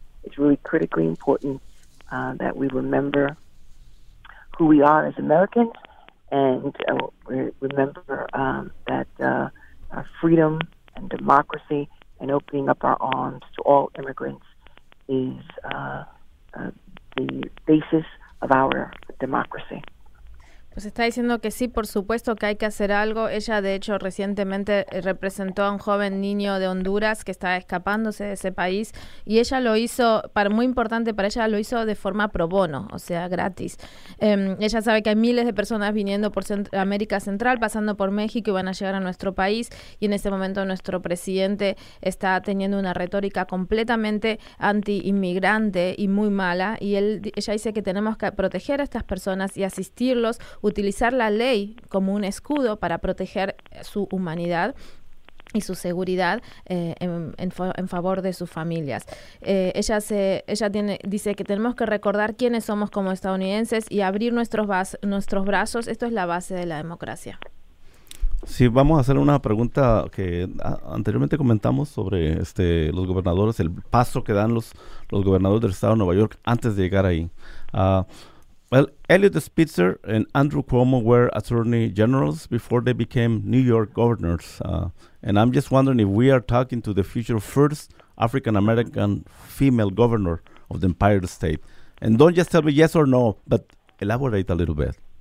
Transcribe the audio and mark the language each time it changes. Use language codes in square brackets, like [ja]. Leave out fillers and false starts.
[en] It's really critically important that we remember who we are as Americans, and remember that our freedom and democracy and opening up our arms to all immigrants is the basis of our democracy. [es] Pues está diciendo que sí, por supuesto que hay que hacer algo. Ella, de hecho, recientemente representó a un joven niño de Honduras que estaba escapándose de ese país, y ella lo hizo, muy importante para ella, lo hizo de forma pro bono, o sea, gratis. Ella sabe que hay miles de personas viniendo por América Central, pasando por México y van a llegar a nuestro país, y en este momento nuestro presidente está teniendo una retórica completamente anti-inmigrante y muy mala, y ella dice que tenemos que proteger a estas personas y asistirlos, utilizar la ley como un escudo para proteger su humanidad y su seguridad en favor de sus familias. Ella dice que tenemos que recordar quiénes somos como estadounidenses y abrir nuestros brazos. Esto es la base de la democracia. Sí, vamos a hacer una pregunta que anteriormente comentamos sobre los gobernadores, el paso que dan los gobernadores del estado de Nueva York antes de llegar ahí. [en] Well, Elliot Spitzer and Andrew Cuomo were attorney generals before they became New York governors. And I'm just wondering if we are talking to the future first African-American female governor of the Empire State. And don't just tell me yes or no, but elaborate a little bit.